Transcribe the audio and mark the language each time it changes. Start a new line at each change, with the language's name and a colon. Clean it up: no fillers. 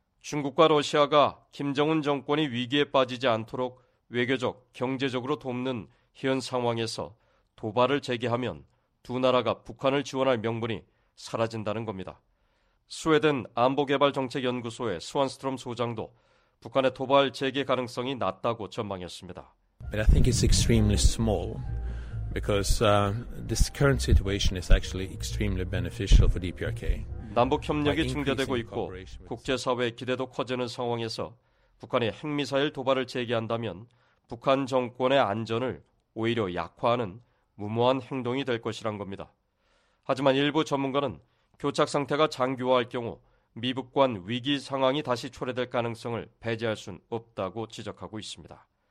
Korean: 중국과 러시아가 김정은 정권이 위기에 빠지지 않도록 외교적, 경제적으로 돕는 현 상황에서 도발을 재개하면 두 나라가 북한을 지원할 명분이 사라진다는 겁니다. 스웨덴 안보개발정책연구소의 스완스트롬 소장도 북한의 도발 재개 가능성이 낮다고 전망했습니다.
English: But I think it's extremely small because this current situation is actually extremely beneficial for DPRK.
Korean: 남북 협력이 증대되고 있고 국제 사회의 기대도 커지는 상황에서 북한이 핵미사일 도발을 재개한다면 북한 정권의 안전을 오히려 약화하는 무모한 행동이 될 것이란 겁니다. 하지만 일부 전문가는 교착 상태가 장기화할 경우 미북 간 위기 상황이 다시 초래될 가능성을 배제할 순 없다고 지적하고 있습니다.